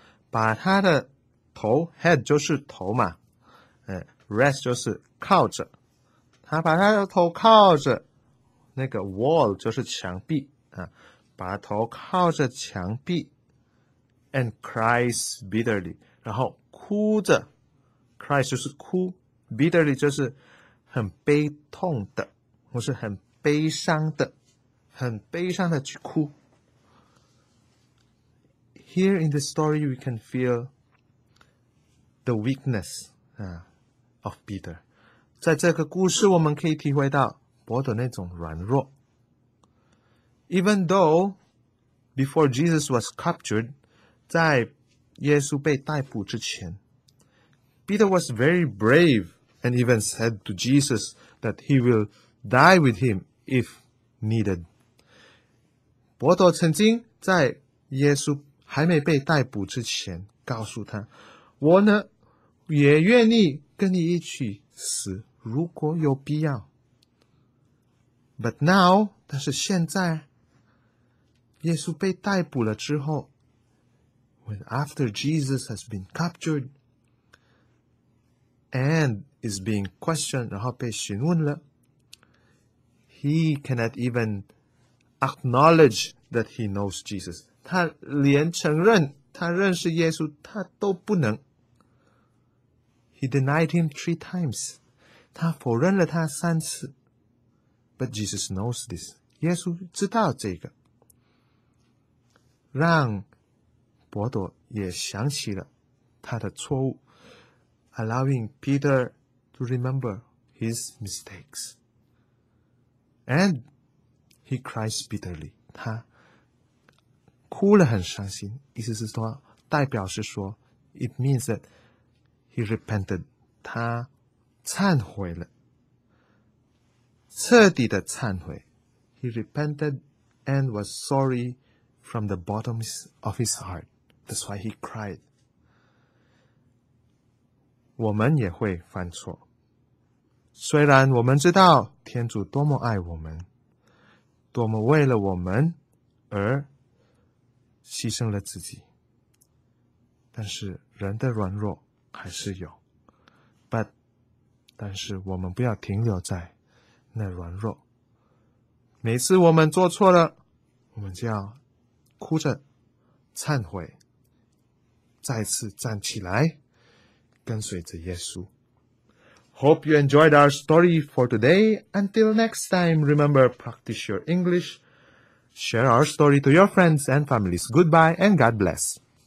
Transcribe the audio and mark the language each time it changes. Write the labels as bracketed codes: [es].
[zh] 把他的头 ,head 就是头嘛。Rest 就是靠着，他把他的头靠着那个 wall 就是墙壁把头靠着墙壁 ， [en] and cries bitterly， [zh] 然后哭着 ，cries 就是哭 ，bitterly 就是很悲痛的，或是很悲伤的，很悲伤的去哭。 [en] Here in the story, we can feel the weakness of Peter. [zh] 在这个故事我们可以体会到伯多那种软弱。 [en] Even though before Jesus was captured, [zh] 在耶稣被逮捕之前 [en] Peter was very brave and even said to Jesus that he will die with him if needed. [zh] 伯多曾经在耶稣还没被逮捕之前告诉他我呢也愿意跟你一起死如果有必要。 [en] But now, [zh] 但是现在耶稣被逮捕了之后 [en] when after Jesus has been captured and is being questioned, [zh] 然后被询问了 [en] he cannot even acknowledge that he knows Jesus. [zh] 他连承认他认识耶稣他都不能。 [en] He denied him three times. [zh] 他否认了他三次。 [en] But Jesus knows this. [zh] 耶稣知道这个。让伯多也想起了他的错误。 [en] Allowing Peter to remember his mistakes. And he cries bitterly. [zh] 他哭了很伤心。意思是说代表是说 [en] It means that He repented, [zh] 他忏悔了，彻底的忏悔。 [en] He repented and was sorry from the bottom of his heart. That's why he cried. [zh] 我们也会犯错。虽然我们知道天主多么爱我们，多么为了我们而牺牲了自己，但是人的软弱还是有 ，but 但是我们不要停留在那软弱。每次我们做错了，我们就要哭着忏悔，再次站起来，跟随着耶稣。 [en] Hope you enjoyed our story for today. Until next time, remember practice your English, share our story to your friends and families. Goodbye and God bless.